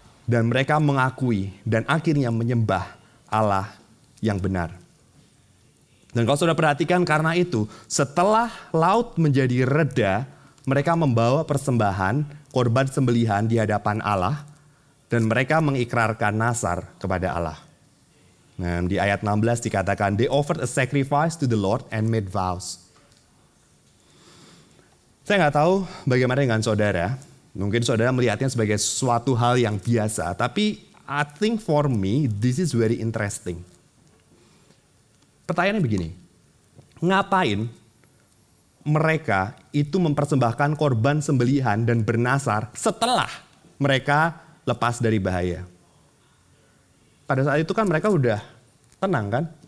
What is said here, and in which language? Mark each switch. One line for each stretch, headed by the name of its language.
Indonesian: Dan mereka mengakui dan akhirnya menyembah Allah yang benar. Dan kalau sudah perhatikan karena itu, setelah laut menjadi reda, mereka membawa persembahan, korban sembelihan di hadapan Allah. Dan mereka mengikrarkan nazar kepada Allah. Nah, di ayat 16 dikatakan,
English: they offered a sacrifice to the Lord and made vows.
Indonesian: Saya gak tahu bagaimana dengan saudara. Mungkin saudara melihatnya sebagai suatu hal yang biasa.
English: Tapi I think for me, this is very interesting.
Indonesian: Pertanyaannya begini, ngapain mereka itu mempersembahkan korban sembelihan dan bernasar setelah mereka lepas dari bahaya? Pada saat itu kan mereka udah tenang kan?